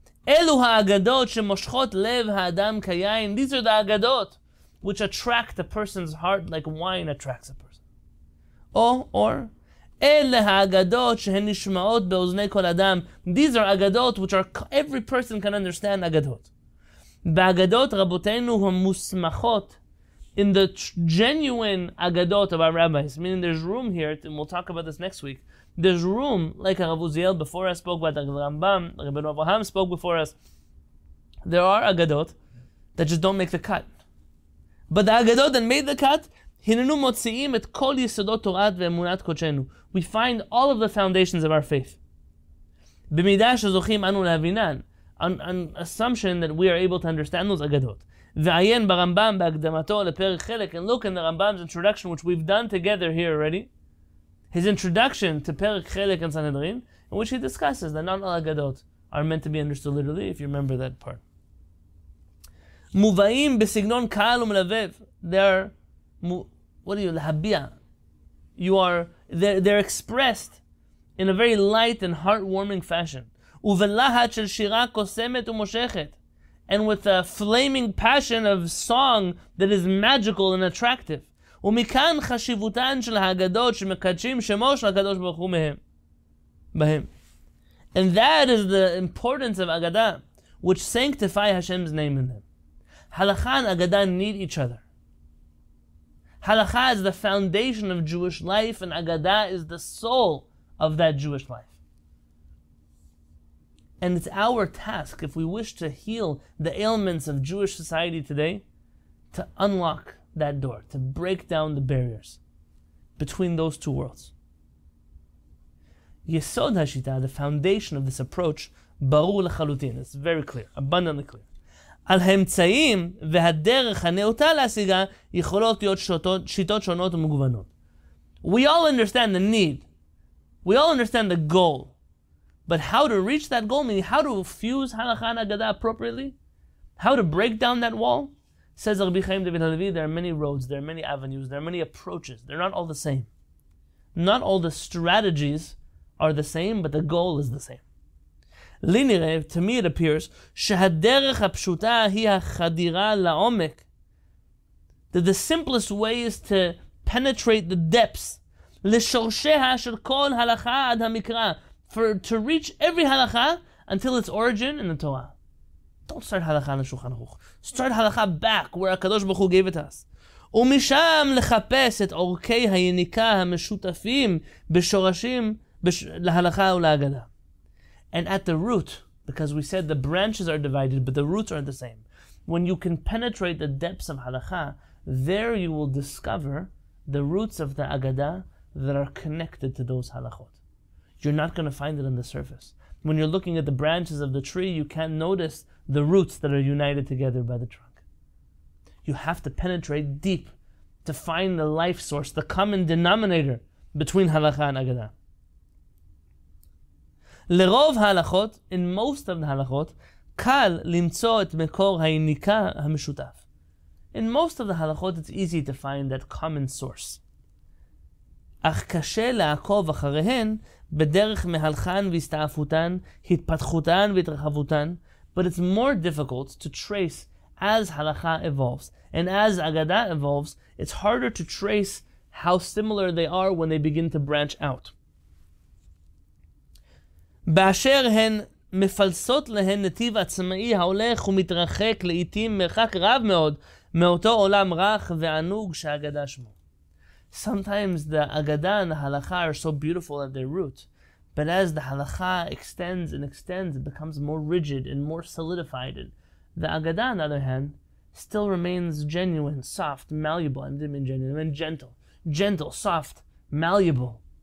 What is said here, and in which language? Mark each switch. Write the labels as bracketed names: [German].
[Hebrew] אלו האגדות שמושכות לב האדם כיין. [English] These are the אגדות which attract a person's heart like wine attracts a person. [Hebrew] Or אלה האגדות שהן נשמעות באוזני כל אדם. [English] These are אגדות which are every person can understand אגדות. [Hebrew] באגדות רבותינו המוסמכות, [English] in the genuine אגדות of our rabbis, meaning there's room here, and we'll talk about this next week, there's room, like Rav Uziel before us spoke about the Rambam, Rabbeinu Avraham spoke before us, there are אגדות that just don't make the cut. But the אגדות that made the cut, [Hebrew] הננו מוציאים את כל יסודות תורת ואמונת קודשנו. [English] We find all of the foundations of our faith. [Hebrew] במידה שזוכים אנו להבינן, [English] an assumption that we are able to understand those אגדות. [Hebrew] ועיין ברמב״ם בהקדמתו לפרק חלק, [English] and look in the Rambam's introduction, which we've done together here already, his introduction to פרק חלק and Sanhedrin, in which he discusses that not all אגדות are meant to be understood literally, if you remember that part. [Hebrew] מובאים בסגנון קהל ומלבב, [English] they're expressed in a very light and heartwarming fashion. [Hebrew] ובלהט של שירה קוסמת ומושכת, [English] and with a flaming passion of song that is magical and attractive. [Hebrew] ומכאן חשיבותן של האגדות שמקדשים שמו של הקדוש ברוך הוא בהם. [English] And that is the importance of אגדה, which sanctify Hashem's name in them. [Hebrew] הלכה ואגדה [English] need each other. Halakha is the foundation of Jewish life, and Agada is the soul of that Jewish life. And it's our task, if we wish to heal the ailments of Jewish society today, to unlock that door, to break down the barriers between those two worlds. [Hebrew] Yesod Hashita, [English] the foundation of this approach, [Hebrew] Baru Lechalutin, [English] it's very clear, abundantly clear. [Hebrew] על האמצעים והדרך הנאותה להשיגה יכולות להיות שיטות שונות ומגוונות. [English] We all understand the need. We all understand the goal. But how to reach that goal, meaning how to fuse halakha and agada appropriately, how to break down that wall, says Rabbi Chaim David Halevi, there are many roads, there are many avenues, there are many approaches. They're not all the same. Not all the strategies are the same, but the goal is the same. [Hebrew] לנראה, [English] to me it appears, [Hebrew] שהדרך הפשוטה היא החדירה לעומק. [English] That the simplest way is to penetrate the depths. [Hebrew] לשורשיה של כל הלכה עד המקרא. [English] To reach every הלכה until its origin in the Torah. Don't start הלכה על השולחן ערוך. Start הלכה back where הקדוש ברוך הוא gave it us. [Hebrew] ומשם לחפש את אורכי היניקה המשותפים בשורשים להלכה ולהגדה. [English] And at the root, because we said the branches are divided, but the roots are the same. When you can penetrate the depths of halakha, there you will discover the roots of the agada that are connected to those halakhot. You're not going to find it on the surface. When you're looking at the branches of the tree, you can't notice the roots that are united together by the trunk. You have to penetrate deep to find the life source, the common denominator between halakha and agada. [Hebrew] לרוב ההלכות, [English] in most of the halakhot, [Hebrew] קל למצוא את מקור היניקה המשותף. [English] In most of the halakhot, it's easy to find that common source. [Hebrew] אך קשה לעקוב אחריהן בדרך מהלכן והסתעפותן, התפתחותן והתרחבותן, [English] but it's more difficult to trace as halakha evolves. And as agada evolves, it's harder to trace how similar they are when they begin to branch out. [Hebrew] באשר הן מפלסות להן נתיב עצמאי ההולך ומתרחק לעתים מרחק רב מאוד מאותו עולם רך וענוג שהאגדה שמו. [English] Sometimes the אגדה and the הלכה are so beautiful at their root, but as the הלכה extends and extends, it becomes more rigid and more solidified. And the אגדה, on the other hand, still remains genuine, soft, malleable. I didn't mean genuine, I meant gentle. Gentle, soft, malleable.